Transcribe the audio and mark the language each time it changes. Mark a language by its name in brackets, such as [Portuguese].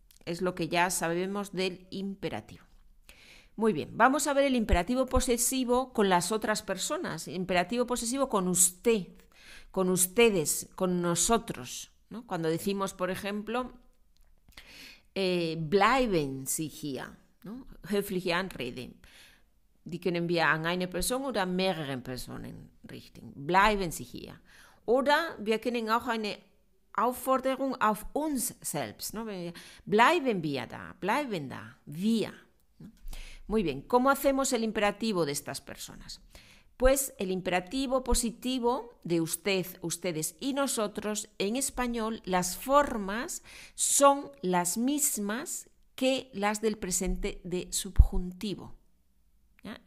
[Spanish] Es lo que ya sabemos del imperativo. Muy bien, vamos a ver el imperativo posesivo con las otras personas, imperativo posesivo con usted, con ustedes, con nosotros, ¿no? Cuando decimos, por ejemplo, [German] bleiben Sie hier, [Spanish] ¿no? [German] Höfliche Anrede. Die können wir an eine Person oder mehreren Personen richten. Bleiben Sie hier. Oder wir können auch eine Aufforderung auf uns selbst. ¿No? Bleiben wir da, bleiben da, wir. [Spanish] ¿No? Muy bien, ¿cómo hacemos el imperativo de estas personas? Pues el imperativo positivo de usted, ustedes y nosotros, en español, las formas son las mismas que las del presente de subjuntivo. ¿Ya?